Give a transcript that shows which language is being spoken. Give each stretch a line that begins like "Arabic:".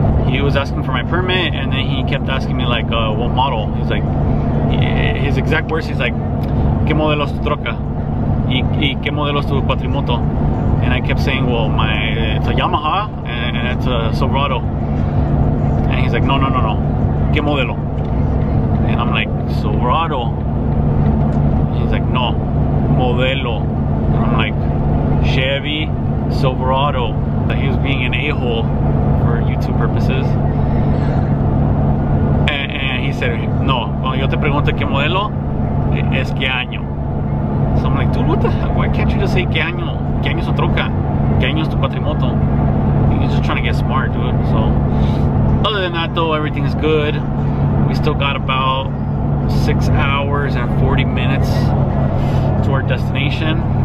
English: He was asking for my permit, and then he kept asking me, like, what model. He's like, his exact words, he's like,
Spanish: ¿Qué modelo es tu troca? ¿Y qué modelo es tu patrimoto?
English: And I kept saying, well, it's a Yamaha and it's a Silverado. And he's like, no.
Spanish: ¿Qué modelo?
English: And I'm like, Silverado. He's like, no, modelo. And I'm like, Chevy Silverado. But he was being an a-hole for YouTube purposes. And he said,
Spanish: no, cuando yo te pregunto qué modelo, es qué año.
English: So I'm like, dude, what the hell? Why can't you just say
Spanish: qué año? ¿Qué año es tu troca? ¿Qué año es tu patrimoto?
English: He's just trying to get smart, dude. So, other than that, though, everything is good. We still got about 6 hours and 40 minutes to our destination.